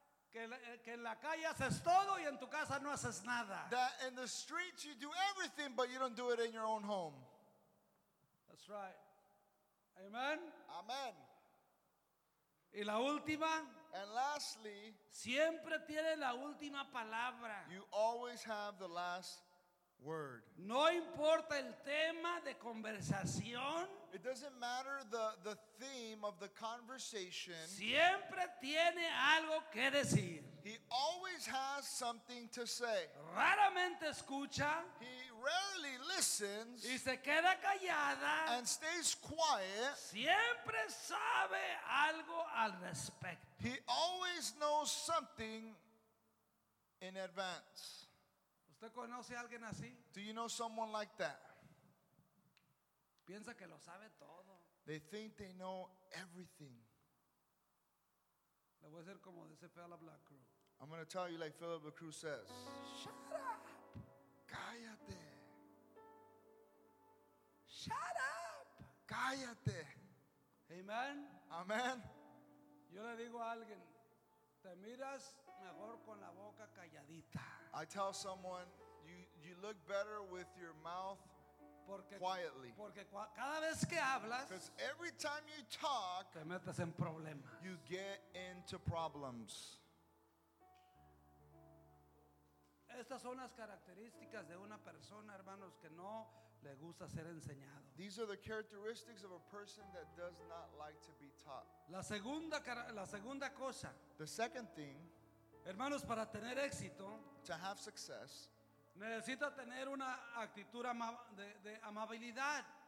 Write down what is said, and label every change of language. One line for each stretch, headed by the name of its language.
Spanish: Que en la calle haces todo y en tu casa no haces nada.
English: That in the streets you do everything, but you don't do it in your own home. That's right. Amen. Amen.
Spanish: Y la última.
English: And lastly,
Spanish: siempre tiene la última palabra.
English: You always have the last word.
Spanish: No importa el tema de conversación.
English: It doesn't matter the theme of the conversation.
Spanish: Siempre tiene algo que decir.
English: He always has something to say.
Spanish: Raramente escucha.
English: He rarely listens.
Spanish: Y se queda callada.
English: And stays quiet.
Spanish: Siempre sabe algo al respecto.
English: He always knows something in advance.
Spanish: ¿Usted conoce a alguien así?
English: Do you know someone like that?
Spanish: Piensa que lo sabe todo.
English: They think they know everything.
Spanish: Le voy a decir como dice Philip LaCruz.
English: I'm going to tell you like Philip LaCruz says. Shut up.
Spanish: Cállate.
English: Shut up.
Spanish: Cállate. Amen.
English: Amen.
Spanish: Yo le digo a alguien, te miras mejor con la boca calladita.
English: I tell someone, you look better with your mouth
Spanish: porque,
English: quietly.
Spanish: Porque cada vez que hablas,
English: because every time you talk,
Spanish: te metes en problemas.
English: You get into problems.
Spanish: Estas son las características de una persona, hermanos, que no le gusta ser enseñado.
English: These are the characteristics of a person that does not like to be taught.
Spanish: La segunda cosa.
English: The second thing.
Spanish: Hermanos, para tener éxito,
English: to have success,
Spanish: necesita tener una actitud de amabilidad.